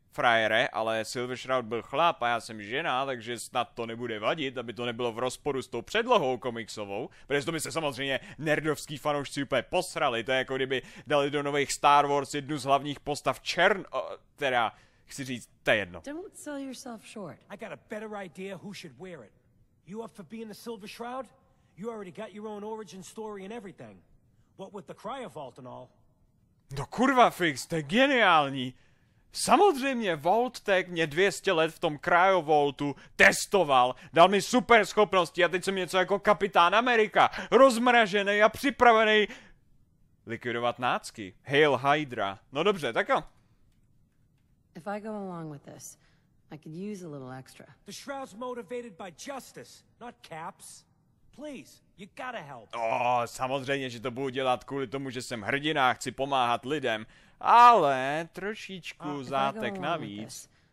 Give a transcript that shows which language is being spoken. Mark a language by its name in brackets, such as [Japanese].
[Czech] Frajere, ale Silver Shroud byl chlap a já jsem žena, takže snad to nebude vadit, aby to nebylo v rozporu s tou předlohou komiksovou. Protože to by se samozřejmě nerdovský fanoušci úplně posrali, to je jako kdyby dali do nových Star Wars jednu z hlavních postav Čern, teda, chci říct, to je jedno. [English] Don't sell yourself short. I got a better idea who should wear it. You up for being the Silver Shroud? You already got your own origin story and everything. What with the Cryo Vault and all? [Czech] No kurva fix, to je geniální. Samozřejmě, Vault Tech mě 200 let v tom Cryovaultu testoval, dal mi super schopnosti a teď jsem něco jako Kapitán Amerika, rozmražený a připravený likvidovat nácky. [English] Hail Hydra. [Czech] No dobře, tak jo. [English] If I go along with this, I could use a little extra. The Shroud's motivated by justice, not caps. Please, you gotta help. [Czech] Oh, samozřejmě, že to budu dělat kvůli tomu, že jsem hrdina a chci pomáhat lidem. Ale trošičku zátek navíc.